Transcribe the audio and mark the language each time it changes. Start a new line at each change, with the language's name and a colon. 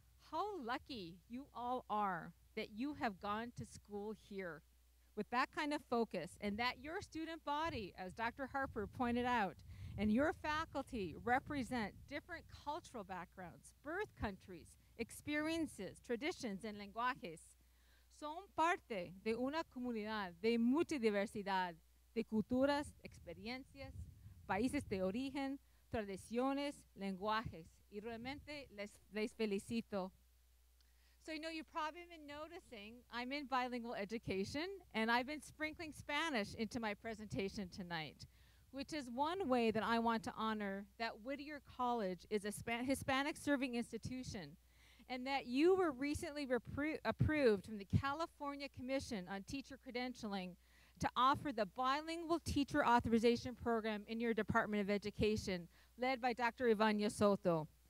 English: How lucky you all are that you have gone to school here with that kind of focus, and that your student body, as Dr. Harper pointed out, and your faculty represent different cultural backgrounds, birth countries, experiences, traditions, and lenguajes.
Spanish: Son parte de una comunidad de mucha diversidad, de culturas, experiencias, países de origen, tradiciones, lenguajes. Y realmente les felicito.
English: So, you know, you've probably been noticing I'm in bilingual education, and I've been sprinkling Spanish into my presentation tonight, which is one way that I want to honor that Whittier College is a Hispanic-serving institution, and that you were recently approved from the California Commission on Teacher Credentialing to offer the Bilingual Teacher Authorization Program in your Department of Education, led by Dr. Ivania Soto.